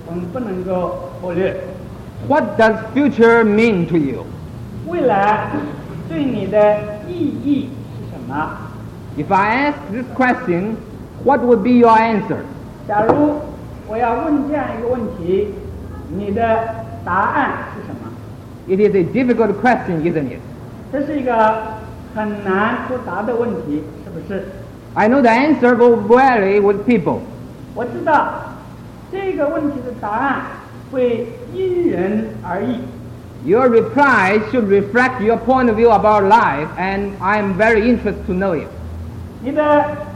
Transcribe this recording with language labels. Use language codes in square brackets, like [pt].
[zh] 这是一个非常要紧的问题，我们不能够忽略。 [en] What does future mean to you? [zh] 未来对你的意义是什么？ [en] If I ask this question, what would be your answer? [zh] 假如我要问这样一个问题，你的答案是什么？ [en] It is a difficult question, isn't it? [zh] 这是一个很难回答的问题，是不是？ [en] I know the answer will vary with people. [zh] 我知道这个问题的答案会因人而异。 [en] Your reply should reflect your point of view about life, and I am very interested to know it.